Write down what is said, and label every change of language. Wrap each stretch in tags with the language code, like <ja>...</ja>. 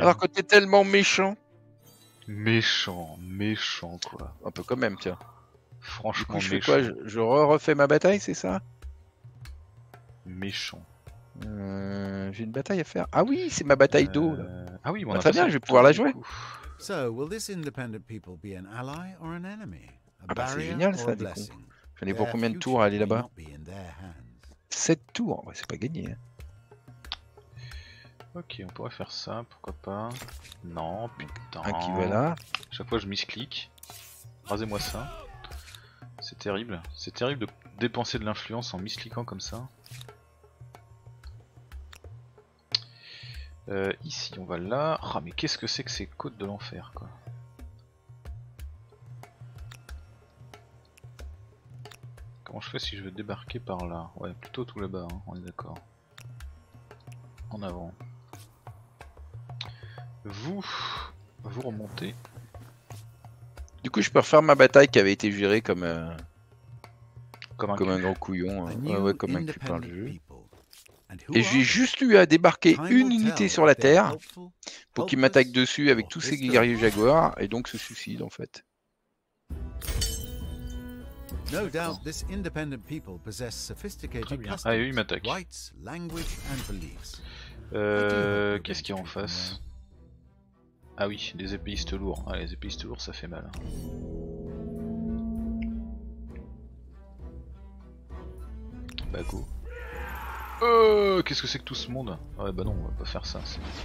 <fr>Alors que t'es tellement méchant. Méchant quoi. Un peu quand même, tiens. Franchement, je méchant. Fais quoi, je refais ma bataille, c'est ça? Méchant. J'ai une bataille à faire. Ah oui, c'est ma bataille d'eau. Là. Ah oui, bon, bah, très bien, je vais pouvoir la jouer.</fr> <en>So, will this independent people be an ally or an enemy?</en> <fr>Ah bah c'est génial ça, du coup. J'en ai pour combien de tours à aller là-bas? 7 tours, ouais, c'est pas gagné. Hein. Ok, on pourrait faire ça, pourquoi pas. Non, putain. Un qui va là. Chaque fois je misclique. Rasez-moi ça. C'est terrible. C'est terrible de dépenser de l'influence en misclickant comme ça. Ici on va là. Ah mais qu'est-ce que c'est que ces côtes de l'enfer quoi. Comment je fais si je veux débarquer par là? Ouais, plutôt tout là-bas, hein, on est d'accord. En avant. Vous remontez. Du coup, je peux refaire ma bataille qui avait été jurée comme comme un grand couillon. Ouais, comme un cul par le jeu. Et j'ai juste eu à débarquer une unité sur la terre pour qu'il m'attaque dessus avec tous ses guerriers jaguars et donc se suicide en fait.</fr> <en>No doubt this independent people possess sophisticated customs,</en> <fr>ah, oui,</fr> <en>rights, language and beliefs.</en> <fr>Qu'est-ce qu'il y a en face? Ah oui, des épéistes lourds. Ah, les épéistes lourds, ça fait mal. Bah go. Qu'est-ce que c'est que tout ce monde? Ouais, bah non, on va pas faire ça. C'est...</fr>